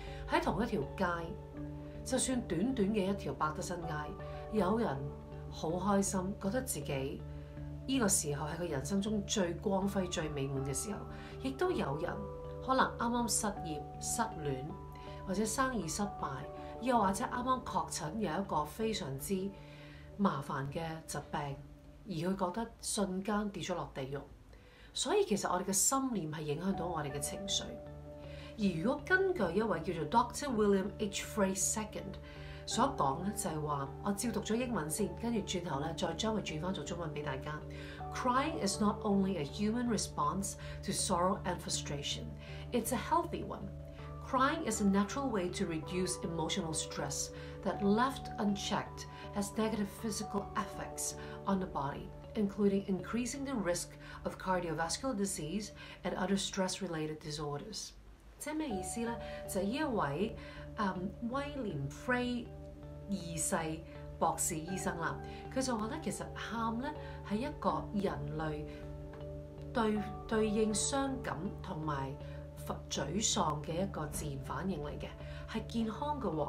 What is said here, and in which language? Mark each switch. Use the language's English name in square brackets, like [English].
[Cantonese] 在同一条街，就算短短的一条百德新街，有人很开心，觉得自己这个时候是他人生中最光辉最美满的时候，也都有人可能刚刚失业、失恋，或者生意失败，又或者刚刚确诊有一个非常之麻烦的疾病，而他觉得瞬间跌了落地狱。所以其实我们的心念是影响到我们的情绪。而如果根据一位叫做 Dr. William H. Frey II 所说的，就是说我照读了英文先，跟着转头再将它转做中文给大家。 [English] Crying is not only a human response to sorrow and frustration, it's a healthy one. Crying is a natural way to reduce emotional stress that, left unchecked, has negative physical effects on the body, including increasing the risk of cardiovascular disease and other stress-related disorders. [Cantonese] 即咩意思呢？就依一位威廉·弗雷二世博士醫生啦，他就說其實喊呢是一個人類 對應傷感和沮喪的一個自然反應來的，是健康的。